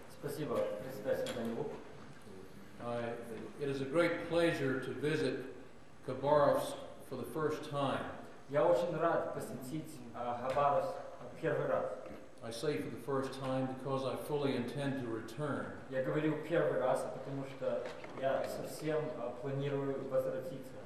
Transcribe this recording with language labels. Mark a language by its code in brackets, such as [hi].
[ru] Спасибо, председатель Даниluk. [en] It is a great pleasure to visit Khabarovsk for the first time. [ru] Я очень рад посетить Хабаровск первый раз. [en] I say for the first time because I fully intend to return. [ru] Я говорю первый раз, потому что я совсем планирую возвратиться.